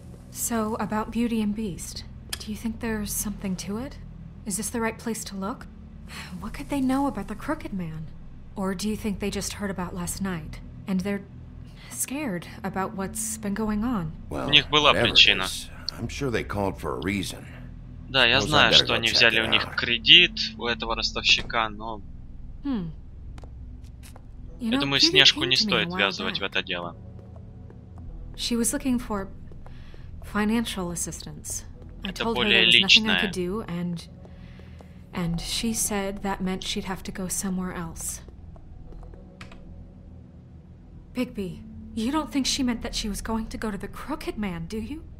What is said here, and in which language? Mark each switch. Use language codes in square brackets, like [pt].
[en] So, about Beauty and Beast. Do you think there's something to it? Is this the right place to look? What could they know about the Crooked Man? Or do you think they just heard about last night? And they're scared about what's been going on? Well, whatever it is, I'm sure they called for a reason. [ru] Да, я знаю, что они взяли у них кредит у этого ростовщика, но я думаю, Снежку не стоит ввязывать в это дело. [en] She was looking for financial assistance. I told her there was nothing I could do, and she said that meant she'd have to go somewhere else. Bigby, you don't think she meant that she was going to go to the Crooked Man, do you?